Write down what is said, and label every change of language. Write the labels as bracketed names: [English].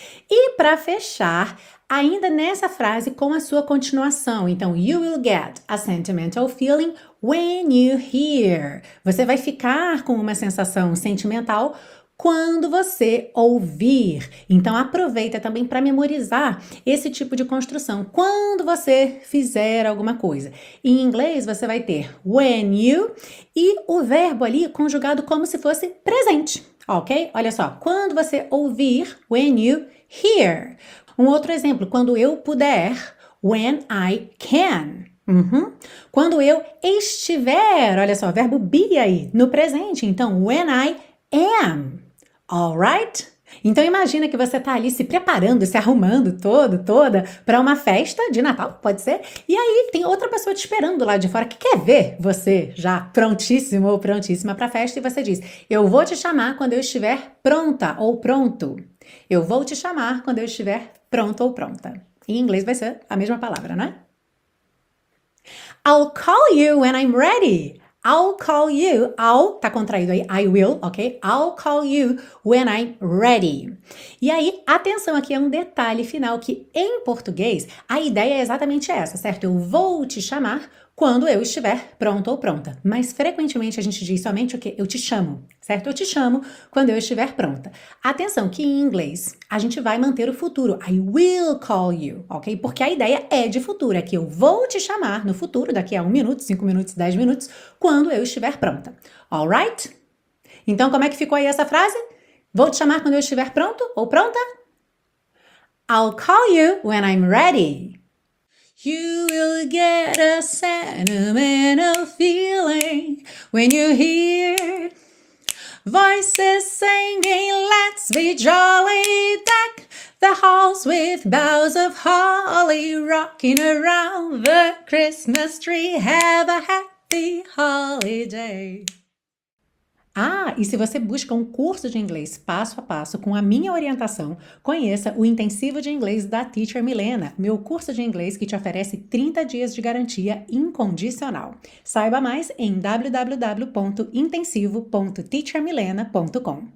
[Portuguese] E para fechar, ainda nessa frase com a sua continuação. [English] Então, you will get a sentimental feeling when you hear. [Portuguese] Você vai ficar com uma sensação sentimental quando você ouvir. Então, aproveita também para memorizar esse tipo de construção. Quando você fizer alguma coisa. Em inglês, você vai ter [English] when you [Portuguese] e o verbo ali conjugado como se fosse presente. Ok? Olha só. Quando você ouvir, [English] when you hear. [Portuguese] Um outro exemplo, quando eu puder, [English] when I can. [Portuguese] Quando eu estiver, olha só, verbo be aí, no presente. [English] Então, when I am. All right? [Portuguese] Então, imagina que você está ali se preparando, se arrumando todo, toda, para uma festa de Natal, pode ser? E aí, tem outra pessoa te esperando lá de fora que quer ver você já prontíssimo ou prontíssima para a festa e você diz: eu vou te chamar quando eu estiver pronta ou pronto. Eu vou te chamar quando eu estiver pronto ou pronta. Em inglês vai ser a mesma palavra, né? [English] I'll call you when I'm ready. I'll call you. I'll, [Portuguese] tá contraído aí. [English] I will, ok? I'll call you when I'm ready. [Portuguese] E aí, atenção aqui, é um detalhe final que em português a ideia é exatamente essa, certo? Eu vou te chamar quando eu estiver pronto ou pronta. Mas frequentemente a gente diz somente o quê? Eu te chamo, certo? Eu te chamo quando eu estiver pronta. Atenção que em inglês a gente vai manter o futuro. [English] I will call you, [Portuguese] ok? Porque a ideia é de futuro, é que eu vou te chamar no futuro, daqui a 1 minuto, 5 minutos, 10 minutos, quando eu estiver pronta. All right? Então como é que ficou aí essa frase? Vou te chamar quando eu estiver pronto ou pronta? [English] I'll call you when I'm ready. You will get a sentimental feeling when you hear voices singing, let's be jolly, deck the halls with boughs of holly, rocking around the Christmas tree, have a happy holiday. [Portuguese] Ah, e se você busca um curso de inglês passo a passo com a minha orientação, conheça o Intensivo de Inglês da Teacher Milena, meu curso de inglês que te oferece 30 dias de garantia incondicional. Saiba mais em www.intensivo.teachermilena.com.